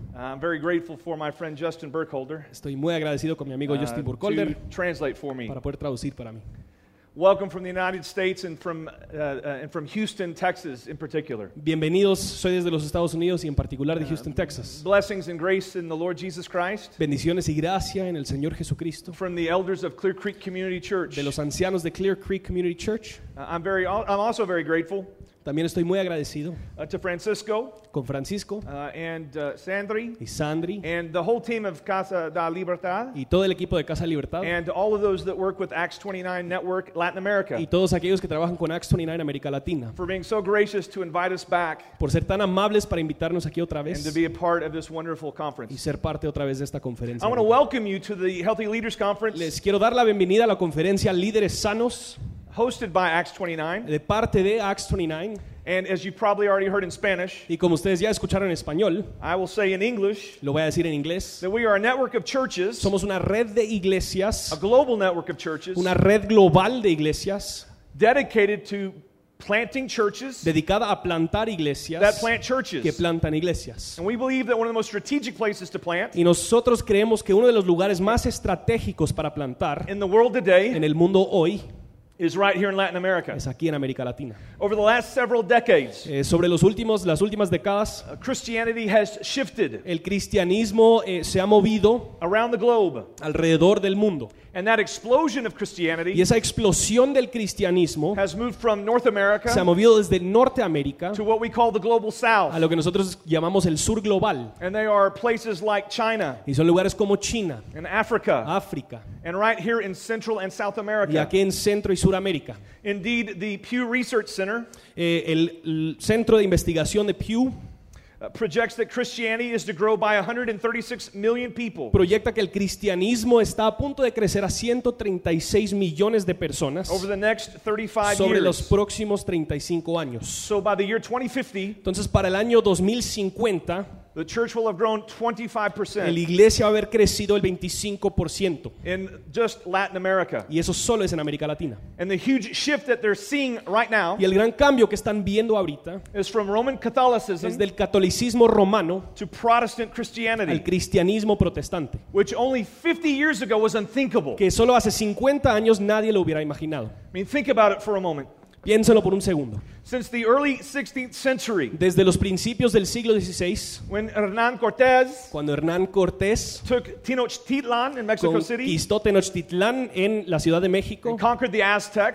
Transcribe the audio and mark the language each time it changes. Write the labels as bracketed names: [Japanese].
[English] I'm very grateful for my friend Justin Burkholder. [Spanish] Estoy muy agradecido con mi amigo Justin Burkholder. [English] To translate for me. [Spanish] Para poder traducir para mí. [English] Welcome from the United States and from Houston, Texas in particular. [Spanish] Bienvenidos, soy desde los Estados Unidos y en particular de Houston, Texas. [English] Blessings and grace in the Lord Jesus Christ. [Spanish] Bendiciones y gracia en el Señor Jesucristo. [English] From the elders of Clear Creek Community Church. [Spanish] De los ancianos de Clear Creek Community Church. [English] I'm also very grateful. [Spanish] También estoy muy agradecido [English] to Francisco, [Spanish] con Francisco [English] Sandri, [Spanish] y Sandri [English] and the whole team of Casa da Libertad, [Spanish] y todo el equipo de Casa Libertad [English] and all of those that work with Acts 29 Network Latin America, [Spanish] y todos aquellos que trabajan con Acts 29 América Latina, [English] for being so gracious to invite us back, [Spanish] por ser tan amables para invitarnos aquí otra vez [English] and to be a part of this wonderful conference, [Spanish] y ser parte otra vez de esta conferencia. [English] I want to welcome you to the Healthy Leaders Conference. [Spanish] Les quiero dar la bienvenida a la conferencia Líderes Sanos, [English] hosted by Acts 29. [Spanish] De parte de Acts 29. [English] And as you probably already heard in Spanish, [Spanish] y como ustedes ya escucharon en español, [English] I will say in English, [Spanish] lo voy a decir en inglés, [English] that we are a network of churches, [Spanish] somos una red de iglesias, [English] a global network of churches, [Spanish] una red global de iglesias, [English] dedicated to planting churches, [Spanish] dedicada a plantar iglesias, [English] that plant churches, [Spanish] que plantan iglesias. [English] And we believe that one of the most strategic places to plant, [Spanish] y nosotros creemos que uno de los lugares más estratégicos para plantar, [English] in the world today, [Spanish] en el mundo hoy, [English] is right here in Latin America. [Spanish] Es aquí en América Latina. [English] Over the last several decades, [Spanish] sobre los últimos, las últimas décadas, [English] Christianity has shifted. [Spanish] El cristianismo se ha movido [English] around the globe, [Spanish] alrededor del mundo. [English] And that explosion of Christianity, [Spanish] y esa explosión del cristianismo, [English] has moved from North America, [Spanish] se ha movido desde Norteamérica, [English] to what we call the global south, [Spanish] a lo que nosotros llamamos el sur global. [English] And they are places like China, [Spanish] y son lugares como China, [English] and Africa, [Spanish] África, [English] and right here in Central and South America, [Spanish] y aquí en Centro y Suramérica. [English] Indeed, the Pew Research Center, [Spanish] el Centro de Investigación de Pew, [English] projects that Christianity is to grow by 136 million people. [Spanish] Proyecta que el cristianismo está a punto de crecer a 136 millones de personas [English] over the next 35 years. [Spanish] Sobre los próximos 35 años. [English] So by the year 2050, [Spanish] entonces para el año 2050, [English] the church will have grown 25%. [Spanish] La iglesia va a haber crecido el 25%. [English] In just Latin America. [Spanish] Y eso solo es en América Latina. [English] And the huge shift that they're seeing right now, [Spanish] y el gran cambio que están viendo ahorita, [English] is from Roman Catholicism, [Spanish] es del catolicismo romano, [English] to Protestant Christianity, [Spanish] al cristianismo protestante, [English] which only 50 years ago was unthinkable. [Spanish] Que solo hace 50 años nadie lo hubiera imaginado. [English] I mean, think about it for a moment. [Spanish] Piénselo por un segundo. [English] Since the early 16th century, [Spanish] desde los principios del siglo XVI, [English] when Hernán Cortés, [Spanish] cuando Hernán Cortés [English] took Tenochtitlan in Mexico, [Spanish] conquistó Tenochtitlan en la Ciudad de México, [English] and conquered the Aztecs,